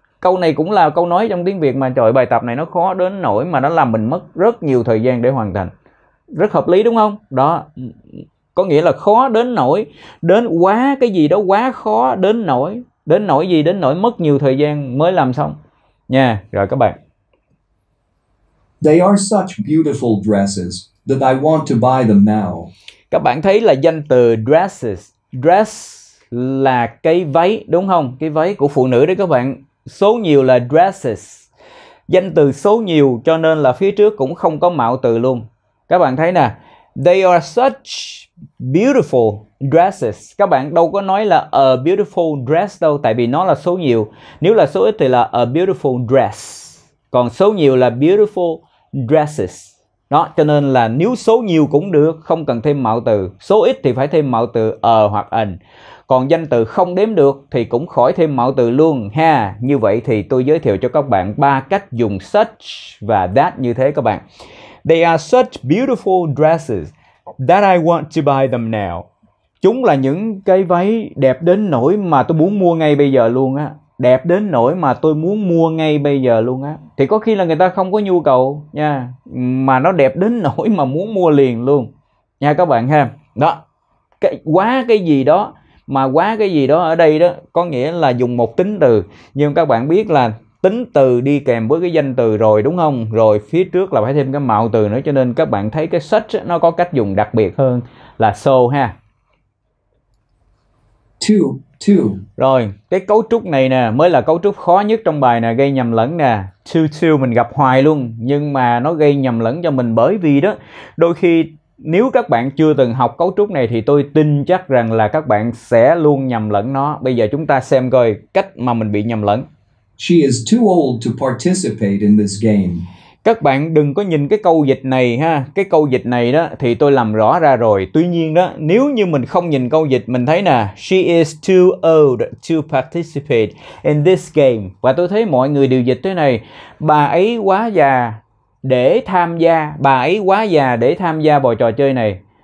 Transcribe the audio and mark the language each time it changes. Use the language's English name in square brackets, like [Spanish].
[Vietnamese] Câu này cũng là câu nói trong tiếng Việt mà trời, bài tập này nó khó đến nỗi mà nó làm mình mất rất nhiều thời gian để hoàn thành. Rất hợp lý đúng không? Đó, có nghĩa là khó đến nỗi, đến quá cái gì đó quá khó đến nỗi. Đến nỗi gì? Đến nỗi mất nhiều thời gian mới làm xong. Nha, rồi các bạn. [English] They are such beautiful dresses that I want to buy them now. [Vietnamese] Các bạn thấy là danh từ dresses. Dress là cái váy, đúng không? Cái váy của phụ nữ đấy các bạn. Số nhiều là dresses. Danh từ số nhiều cho nên là phía trước cũng không có mạo từ luôn. Các bạn thấy nè. [English] They are such beautiful dresses. [Vietnamese] Các bạn đâu có nói là [English] a beautiful dress [Vietnamese] đâu, tại vì nó là số nhiều. Nếu là số ít thì là [English] a beautiful dress. [Vietnamese] Còn số nhiều là [English] beautiful dresses. [Vietnamese] Đó, cho nên là nếu số nhiều cũng được, không cần thêm mạo từ. Số ít thì phải thêm mạo từ a hoặc an. Còn danh từ không đếm được thì cũng khỏi thêm mạo từ luôn ha. Như vậy thì tôi giới thiệu cho các bạn ba cách dùng such và that như thế các bạn. [English] They are such beautiful dresses that I want to buy them now. [Vietnamese] Chúng là những cái váy đẹp đến nỗi mà tôi muốn mua ngay bây giờ luôn á. Đẹp đến nỗi mà tôi muốn mua ngay bây giờ luôn á. Thì có khi là người ta không có nhu cầu nha, mà nó đẹp đến nỗi mà muốn mua liền luôn nha các bạn ha. Đó, cái quá cái gì đó. Mà quá cái gì đó ở đây đó có nghĩa là dùng một tính từ. Nhưng các bạn biết là tính từ đi kèm với cái danh từ rồi đúng không? Rồi phía trước là phải thêm cái mạo từ nữa. Cho nên các bạn thấy cái such nó có cách dùng đặc biệt hơn là so ha. [English] Two. [Vietnamese] Rồi, cái cấu trúc này nè, mới là cấu trúc khó nhất trong bài nè, gây nhầm lẫn nè. Two mình gặp hoài luôn, nhưng mà nó gây nhầm lẫn cho mình bởi vì đó, đôi khi nếu các bạn chưa từng học cấu trúc này thì tôi tin chắc rằng là các bạn sẽ luôn nhầm lẫn nó. Bây giờ chúng ta xem coi cách mà mình bị nhầm lẫn. [English] She is too old to participate in this game. [Vietnamese] Các bạn đừng có nhìn cái câu dịch này ha. Cái câu dịch này đó thì tôi làm rõ ra rồi. Tuy nhiên đó, nếu như mình không nhìn câu dịch, mình thấy nè, [English] she is too old to participate in this game. [Vietnamese] Và tôi thấy mọi người đều dịch thế này, bà ấy quá già để tham gia, bà ấy quá già để tham gia vào trò chơi này.